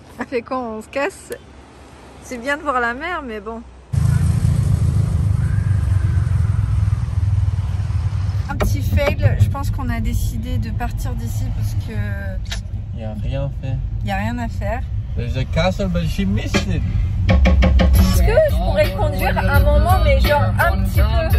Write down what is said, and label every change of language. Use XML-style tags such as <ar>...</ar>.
<fr>C'est quand on se casse. C'est bien de voir la mer, mais bon. Un petit fail. Je pense qu'on a décidé de partir d'ici parce que. Il n'y a rien fait. Il n'y a rien à faire.</fr> <en>There's a castle, but she missed it.</en> <fr>Est-ce que je pourrais conduire un moment, mais genre un petit peu.</fr>